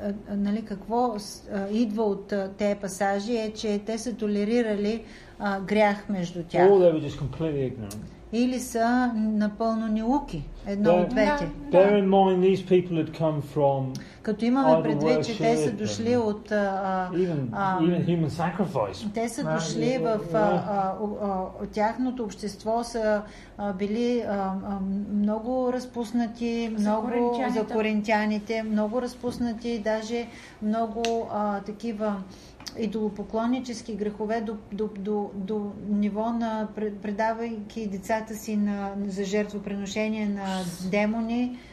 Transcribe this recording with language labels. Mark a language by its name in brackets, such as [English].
[Bulgarian] Нали какво идва от тези пасажи е, че те са толерирали грях между тях. [English] Or they were just completely ignorant. [Bulgarian] Или са напълно неуки. Едно от двете. [English] Bear in mind these people had come from. [Bulgarian] Като имаме предвид, че те са дошли от [English] even human sacrifice. [Bulgarian] Те са дошли в тяхното общество са били много разпуснати, много за коринтяните, много разпуснати, даже много такива идолопоклоннически грехове до ниво на предавайки децата си за жертвоприношение на демони.